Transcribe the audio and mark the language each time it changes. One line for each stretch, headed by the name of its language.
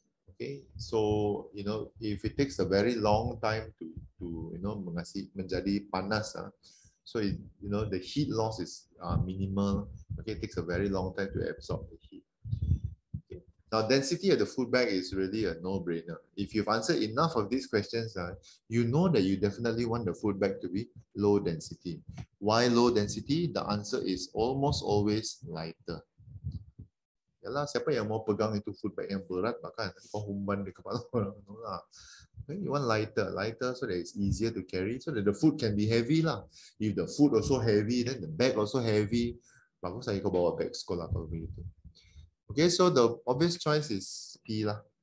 English: Okay, so, you know, if it takes a very long time to you know,
Malay: menjadi panas,
English: so, it, you know, the heat loss is minimal. Okay, it takes a very long time to absorb the heat. Now, density of the food bag is really a no-brainer. If you've answered enough of these questions, you know that you definitely want the food bag to be low density. Why low density? The answer is almost always lighter.
Malay: Yalah, siapa yang mau pegang itu food bag yang berat, bahkan penghumban di kepala orang.
English: No lah. You want lighter so that it's easier to carry, so that the food can be heavy lah. If the food also heavy, then the bag also heavy.
Malay: Bagus lah, kau bawa bag sekolah kalau begitu.
English: Okay, so the obvious choice is P lah.